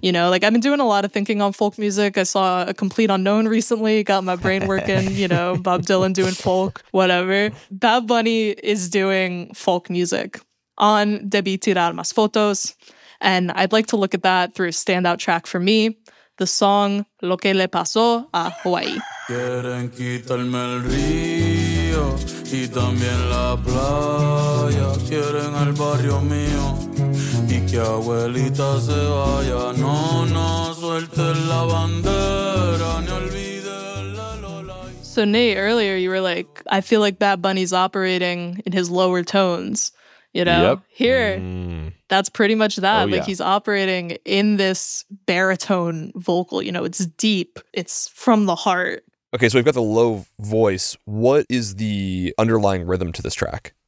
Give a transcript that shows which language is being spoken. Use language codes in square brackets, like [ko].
[en] You know, like I've been doing a lot of thinking on folk music. I saw A Complete Unknown recently, got my brain working, you know, Bob Dylan doing folk, whatever. Bad Bunny is doing folk music on Debí Tirar Más Fotos. And I'd like to look at that through a standout track for me, the song Lo Que Le Pasó a Hawaii. [es] Quieren quitarme el río y también la playa. Quieren el barrio mío y que abuelita se vaya. No, no, suelte la bandera, ni olvide la lola. [en] So Nate, earlier you were like, I feel like Bad Bunny's operating in his lower tones, you know? Yep. Here. That's pretty much that. Oh, like yeah. He's operating in this baritone vocal. You know, it's deep. It's from the heart. Okay, so we've got the low voice. What is the underlying rhythm to this track?